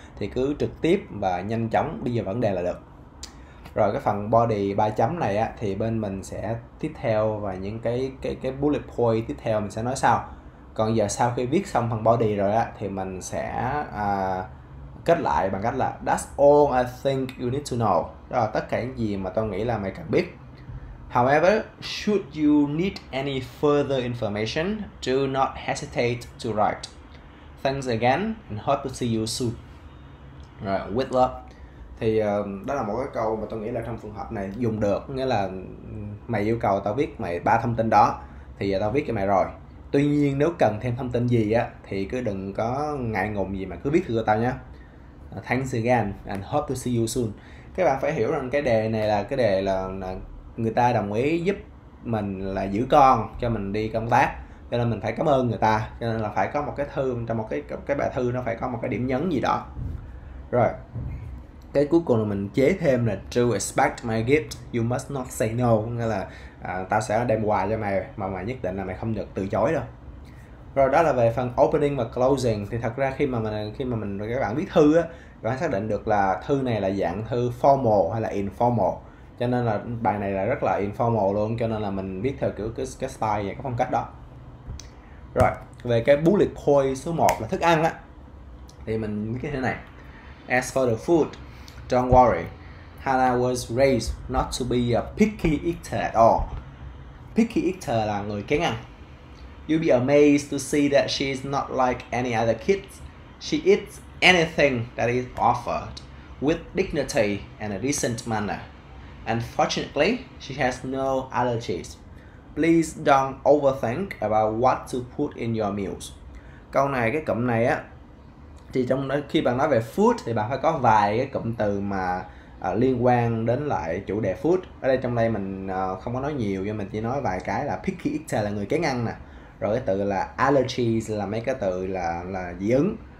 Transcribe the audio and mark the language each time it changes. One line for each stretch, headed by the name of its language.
Vietnamese: Thì cứ trực tiếp và nhanh chóng bây giờ vấn đề là được. Rồi cái phần body 3 chấm này á, thì bên mình sẽ tiếp theo và những cái bullet point tiếp theo mình sẽ nói sau. Còn giờ sau khi viết xong phần body rồi á, thì mình sẽ kết lại bằng cách là
English: that's all I think you need to know.
Vietnamese: Đó là tất cả những gì mà tôi nghĩ là mày cần biết.
English: However, should you need any further information, do not hesitate to write. Thanks again and hope to see you soon. Right, with love.
Vietnamese: Thì đó là một cái câu mà tôi nghĩ là trong trường hợp này dùng được, nghĩa là mày yêu cầu tao viết mày 3 thông tin đó thì giờ tao viết cho mày rồi. Tuy nhiên nếu cần thêm thông tin gì á thì cứ đừng có ngại ngùng gì mà cứ viết thư cho tao nhé.
English: Thanks again and hope to see you soon.
Vietnamese: Các bạn phải hiểu rằng cái đề này là cái đề là người ta đồng ý giúp mình là giữ con cho mình đi công tác, cho nên mình phải cảm ơn người ta, cho nên là phải có một cái thư, trong một cái bài thư nó phải có một cái điểm nhấn gì đó. Rồi cái cuối cùng là mình chế thêm là
English: to expect my gift you must not say no,
Vietnamese: nghĩa là tao sẽ đem quà cho mày mà mày nhất định là mày không được từ chối đâu. Rồi đó là về phần opening và closing. Thì thật ra khi mà các bạn viết thư á, bạn xác định được là thư này là dạng thư formal hay là informal, cho nên là bài này là rất là informal luôn, cho nên là mình viết theo kiểu cái style và cái phong cách đó. Rồi về cái bullet point số 1 là thức ăn á, thì mình viết như thế này:
English: As for the food, don't worry, Hannah was raised not to be a picky eater at all.
Vietnamese: Picky eater là người kén ăn.
English: You'll be amazed to see that she's not like any other kids. She eats anything that is offered with dignity and a decent manner. And fortunately, she has no allergies. Please don't overthink about what to put in your meals.
Vietnamese: Câu này, cái cụm này á, thì trong đó khi bạn nói về food thì bạn phải có vài cái cụm từ mà liên quan đến lại chủ đề food. Ở đây trong đây mình không có nói nhiều, nhưng mình chỉ nói vài cái là picky eater là người kén ăn nè. Rồi cái từ là allergies là mấy cái từ là dị ứng.